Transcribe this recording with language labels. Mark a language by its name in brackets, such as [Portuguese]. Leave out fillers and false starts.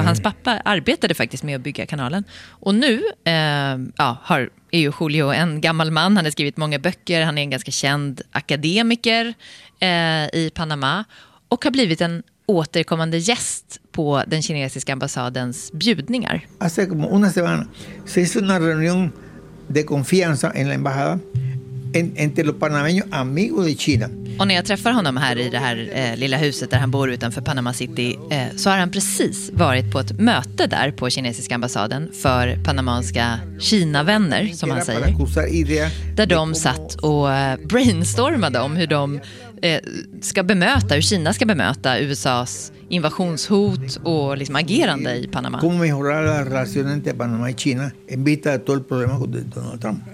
[Swedish] Och hans pappa arbetade faktiskt med att bygga kanalen. Och nu är ju Julio en gammal man. Han har skrivit många böcker. Han är en ganska känd akademiker i Panama. Och har blivit en återkommande gäst på den kinesiska ambassadens bjudningar. [Spanish] Hace como una semana se hizo una reunión de confianza en la embajada entre los panameños amigos de China. [Swedish] Och när jag träffar honom här i det här lilla huset där han bor utanför Panama City så har han precis varit på ett möte där på kinesiska ambassaden för panamanska Kina-vänner, som han säger. Där de satt och brainstormade om hur de ska bemöta, hur Kina ska bemöta USAs invasionshot och liksom agerande i Panama. [Spanish] Cómo mejorar la relación entre Panamá y China en vista de todo el problema de Donald Trump.